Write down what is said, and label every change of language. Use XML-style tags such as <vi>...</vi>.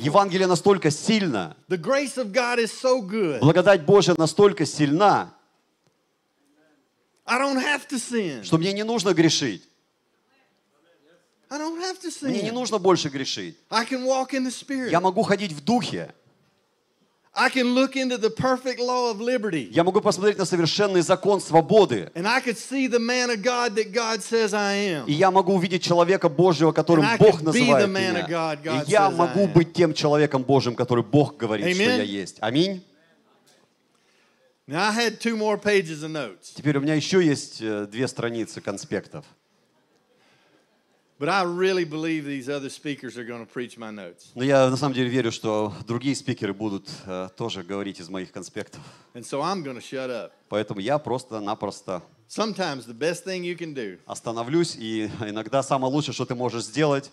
<ru>Евангелие настолько сильно.</ru> <en>The grace of God is so good.</en> <ru>Благодать Божья настолько сильна.</ru> <en>I don't have to sin.</en> <ru>Что мне не нужно грешить.</ru> <en>I don't have to sin.</en> <ru>Мне не нужно больше грешить.</ru> <en>I can walk in the Spirit.</en> <ru>Я могу ходить в Духе.</ru> <en>I can look into the perfect law of liberty.</en> <ru>Я могу посмотреть на совершенный закон свободы.</ru> <en>And I could see the man of God that God says I am.</en> <ru>И я могу увидеть человека Божьего, которым Бог называет меня. И я могу быть тем человеком Божьим, который Бог говорит, что я есть. Аминь.</ru> <en>Now I had two more pages of notes.</en> <ru>Теперь у меня еще есть две страницы конспектов.</ru> <en>But I really believe these other speakers are going to preach my notes.</en> <ru>Но я на самом деле верю, что другие спикеры будут тоже говорить из моих конспектов.</ru> <en>And so I'm going to shut up.</en> <ru>Поэтому я просто-напросто.</ru> <en>Sometimes the best thing you can do.</en> <ru>Остановлюсь и иногда самое лучшее, что ты можешь сделать.</ru>